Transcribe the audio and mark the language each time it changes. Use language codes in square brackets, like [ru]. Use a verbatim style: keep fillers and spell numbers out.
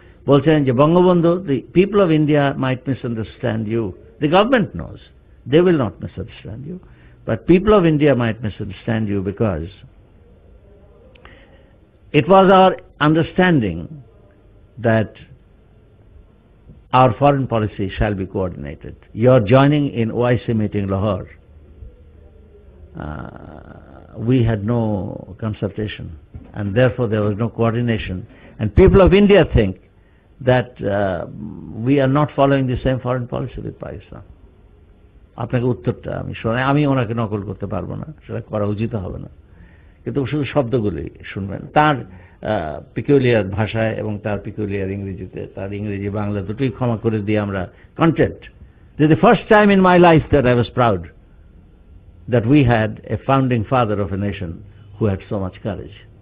[bn] বলছেন যে [en] Bangabandhu, the people of India might misunderstand you, the government knows they will not misunderstand you, but people of India might misunderstand you because it was our understanding that our foreign policy shall be coordinated. Your joining in O I C meeting Lahore, uh, we had no consultation and therefore there was no coordination, and people of India think that uh, we are not following the same foreign policy with Pakistan. [bn] আপনাকে উত্তরটা আমি শোনাই, আমি ওনাকে নকল করতে পারবো না, সেটা করা উচিত হবে না, কিন্তু শুধু শব্দগুলি শুনবেন তার পিকুলিয়ার ভাষায় এবং তার পিকুলিয়ার ইংরেজিতে। তার ইংরেজি বাংলা দুটোই ক্ষমা করে দিয়ে আমরা content. [en] This is the first time in my life that I was proud that we had a founding father of a nation who had so much courage.